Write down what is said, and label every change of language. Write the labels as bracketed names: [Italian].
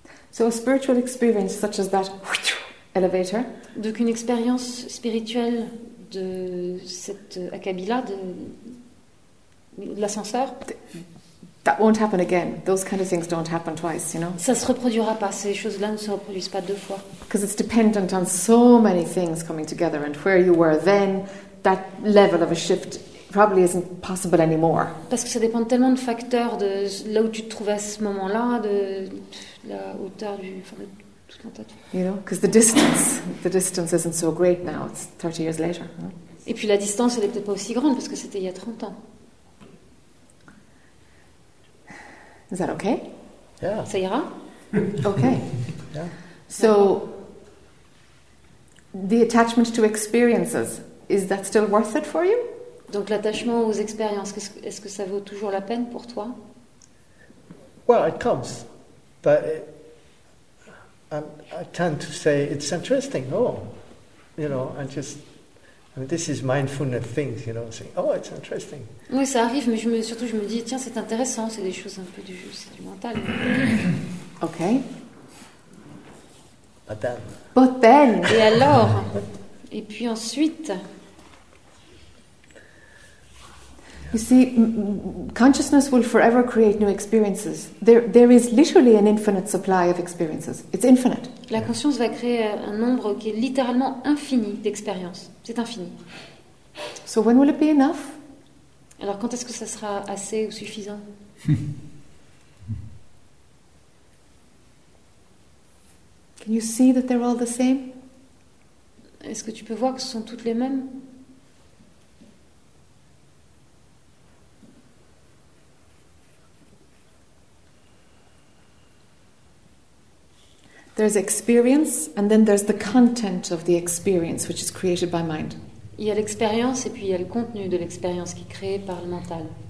[English] So a spiritual experience such as that elevator. [French] Donc une expérience spirituelle de cette akabila de l'ascenseur. [English] That won't happen again. Those kind of things don't happen twice, [French] Ça se reproduira pas. Ces choses-là ne se reproduisent pas deux fois. [English] Because it's dependent on so many things coming together, and where you were then, that level of a shift probably isn't possible anymore. [French] Parce que ça dépend tellement de facteurs de là où tu te trouvais à ce moment-là de la hauteur du tout un tas de choses. [English] Because the distance isn't so great now. It's 30 years later. [French] Et puis la distance elle est peut-être pas aussi grande parce que c'était il y a 30 ans. [English] Is that okay? Yeah. [French] Ça ira? [English] Okay. Yeah. So the attachment to experiences, is that still worth it for you? [French] Donc l'attachement aux expériences, est-ce que ça vaut toujours la peine pour toi? [English] Well, it comes, but I tend to say it's interesting. Oh, this is mindfulness things, saying, oh, it's interesting. [French] Oui, ça arrive, mais je me dis, tiens, c'est intéressant, c'est des choses un peu du mental. [English] Okay. But then. [French] Et alors? Et puis ensuite? [English] You see, consciousness will forever create new experiences. There is literally an infinite supply of experiences. It's infinite. [French] La conscience va créer un nombre qui est littéralement infini d'expériences. C'est infini. [English] So when will it be enough? [French] Alors quand est-ce que ça sera assez ou suffisant? [English] Can you see that they're all the same? [French] Est-ce que tu peux voir que ce sont toutes les mêmes? [English] There's experience, and then there's the content of the experience, which is created by mind. [French] Il y a l'expérience, et puis il y a le contenu de l'expérience qui est créé par le mental.